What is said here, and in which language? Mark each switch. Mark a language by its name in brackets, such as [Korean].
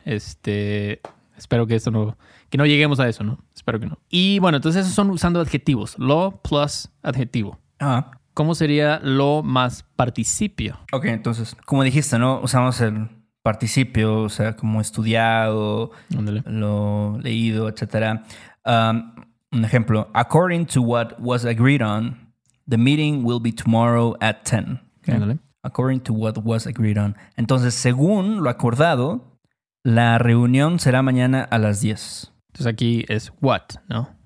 [Spanish] Espero que eso no, que no lleguemos a eso, ¿no? Espero que no. Y bueno, entonces esos son usando adjetivos. Lo plus adjetivo. Ah. Uh-huh. ¿Cómo sería lo más participio? Ok, entonces, como dijiste, ¿no? Usamos el participio, o sea, como estudiado, ándale. Lo leído, etcétera. Un ejemplo. [English] According to what was agreed on, the meeting will be tomorrow at 10. [Spanish] Okay. Ándale. [English] According to what was agreed on. [Spanish] Entonces, según lo acordado, la reunión será mañana a las 10. Entonces, aquí es what, ¿no?